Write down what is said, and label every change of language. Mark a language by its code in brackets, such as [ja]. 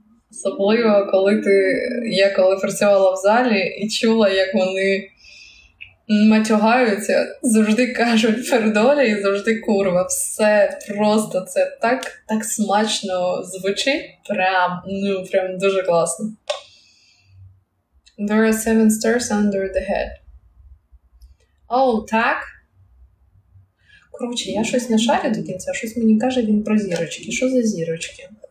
[uk] Особливо, коли ти, я коли працювала в залі і чула, як вони матюгаються, завжди кажуть пердолі і завжди курва. Все просто, це так, так смачно звучить, прям, ну, прям дуже класно. [en] There are 7 stars under the head. [uk] Oh, так? Короче, я щось не шарю до кінця, щось мені каже він про зірочки. Що за зірочки?